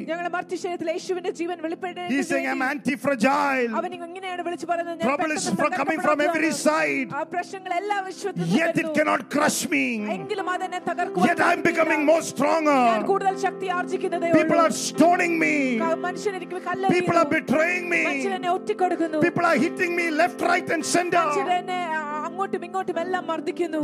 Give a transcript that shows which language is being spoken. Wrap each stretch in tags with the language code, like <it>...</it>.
<ml>ഞങ്ങളുടെ മർത്യ ശരീരത്തിൽ യേശുവിന്റെ ജീവൻ വെളിപ്പെടേണ്ടതിന്.</ml> <en>He's saying I'm antifragile.</en> <ml>അവൻ ഇങ്ങനെയാണ് വിളിച്ചു പറയുന്നത്, ഞാൻ</ml> <en>troubles coming from every side.</en> <ml>ആ പ്രശ്നങ്ങൾ എല്ലാ വിശ്വത്തിൽ നിന്നും</ml> <en>yet it cannot crush me.</en> <ml>എങ്കിലും അതെന്നെ തകർക്കുവാൻ.</ml> <en>Yet I'm becoming more stronger.</en> <ml>ഞാൻ കൂടുതൽ ശക്തി ആർജ്ജിക്കുന്നതേയുള്ളൂ.</ml> <en>People are stoning me.</en> <ml>മനുഷ്യർ എന്നെ കല്ലെറിയുന്നു.</ml> <en>People are betraying me.</en> <ml>മനുഷ്യർ എന്നെ ഒറ്റിക്കൊടുക്കുന്നു.</ml> <en>People are hitting me left right and center.</en> <ml>മനുഷ്യർ എന്നെ അങ്ങോട്ടും ഇങ്ങോട്ടും എല്ലാം മർദ്ദിക്കുന്നു.</ml>